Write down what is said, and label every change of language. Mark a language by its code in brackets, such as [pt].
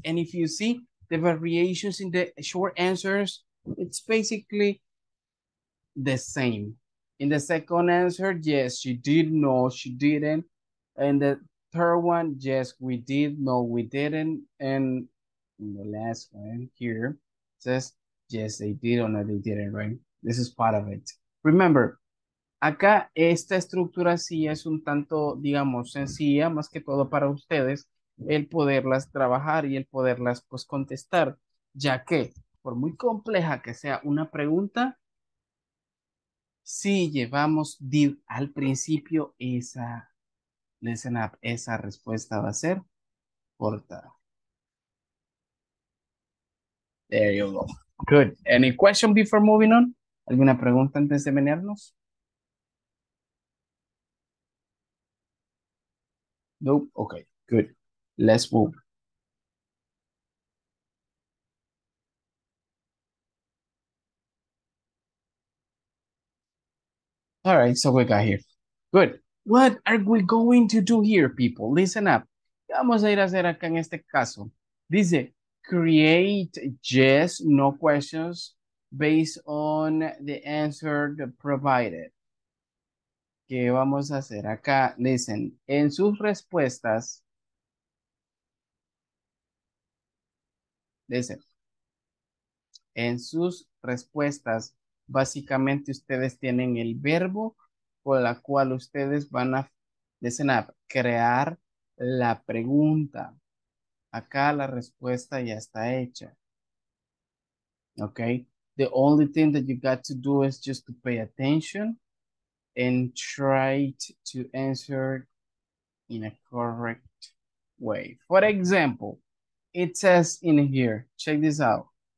[en] And if you see, the variations in the short answers, it's basically the same. In the second answer, yes, she did, no, she didn't. And the third one, yes, we did, no, we didn't. And in the last one here, says, yes, they did or no, they didn't, right? This is part of it. [es] Remember, acá esta estructura sí es un tanto, digamos, sencilla, más que todo para ustedes, el poderlas trabajar y el poderlas, pues, contestar, ya que, por muy compleja que sea una pregunta, si llevamos did al principio, esa [en] listen up, [es] esa respuesta va a ser corta. [en] There you go. Good. Any question before moving on? [es] ¿Alguna pregunta antes de menearnos? [en] Nope. Okay, good. Let's move. All right, so we got here. Good. What are we going to do here, people? Listen up. [es] ¿Qué vamos a ir a hacer acá en este caso? [en] Dice, create yes, no questions based on the answer provided. [es] ¿Qué vamos a hacer acá? Listen, en sus respuestas. [en] Listen. [es] En sus respuestas, básicamente ustedes tienen el verbo con la cual ustedes van a, [en] listen up, [es] crear la pregunta. Acá la respuesta ya está hecha. Okay. [en] The only thing that you got to do is just to pay attention and try to answer in a correct way. For example, it says in here, check this out.